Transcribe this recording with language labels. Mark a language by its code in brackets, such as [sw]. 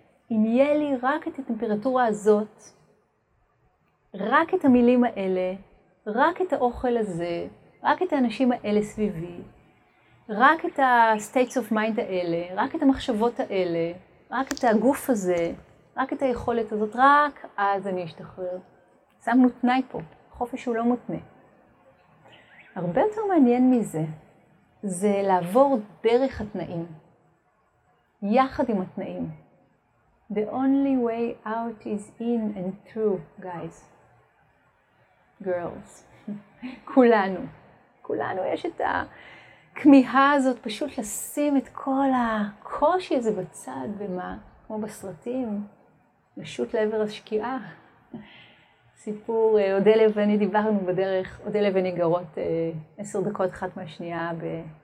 [he] אם יהיה לי רק את הטמפרטורה הזאת, רק את המילים האלה, רק את האוכל הזה, רק את האנשים האלה סביבי, רק את ה- [en] states of mind [he] האלה, רק את המחשבות האלה, רק את הגוף הזה, רק את היכולת הזאת, רק אז אני אשתחרר. שמנו תנאי פה, חופש הוא לא מותנה. הרבה יותר מעניין מזה, זה לעבור דרך התנאים, יחד עם התנאים. [en] The only way out is in and through, guys. Girls. [he] כולנו. כולנו יש את הכמיהה הזאת פשוט לשים את כל הקושי הזה בצד, ומה? כמו בסרטים, פשוט לעבר השקיעה. סיפור, אודליה ואני דיברנו בדרך, אודליה ואני גרות 10 דקות אחת מהשנייה ב...